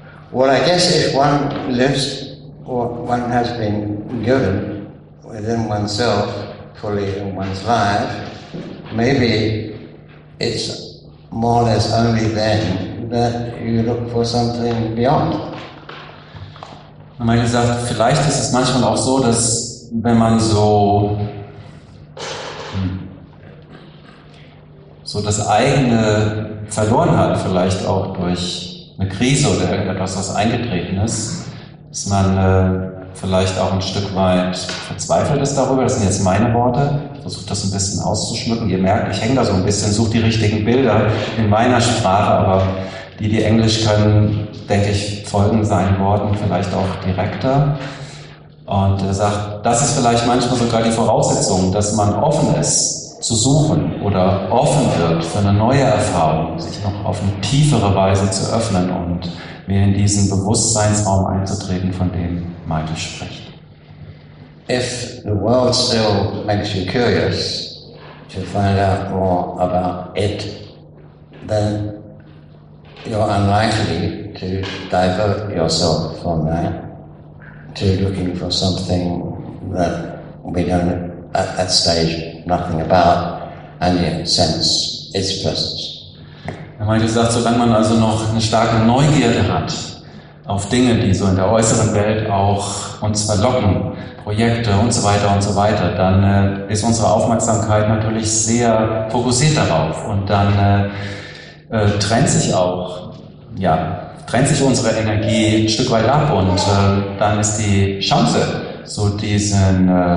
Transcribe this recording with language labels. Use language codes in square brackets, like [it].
[en] Well, I guess if one lives or one has been given within oneself fully in one's life, maybe it's more or less only then that you look for something beyond. [de] Mal gesagt, vielleicht ist es manchmal auch so, dass wenn man so so das eigene verloren hat, vielleicht auch durch eine Krise oder irgendetwas, was eingetreten ist, dass man vielleicht auch ein Stück weit verzweifelt ist darüber. Das sind jetzt meine Worte. Ich versuche das ein bisschen auszuschmücken. Ihr merkt, ich hänge da so ein bisschen, suche die richtigen Bilder in meiner Sprache, aber die, die Englisch können, denke ich, folgen seinen Worten vielleicht auch direkter. Und er sagt, das ist vielleicht manchmal sogar die Voraussetzung, dass man offen ist zu suchen oder offen wird für eine neue Erfahrung, sich noch auf eine tiefere Weise zu öffnen und mehr in diesen Bewusstseinsraum einzutreten, von dem Michael spricht. [en] If the world still makes you curious to find out more about it, then you're unlikely to divert yourself from that to looking for something that we don't at that stage nothing about and yet sense its presence. [de] Er meinte, er sagt, solange man also noch eine starke Neugierde hat auf Dinge, die so in der äußeren Welt auch uns verlocken, Projekte und so weiter, dann ist unsere Aufmerksamkeit natürlich sehr fokussiert darauf und dann trennt sich unsere Energie ein Stück weit ab und dann ist die Chance, so diesen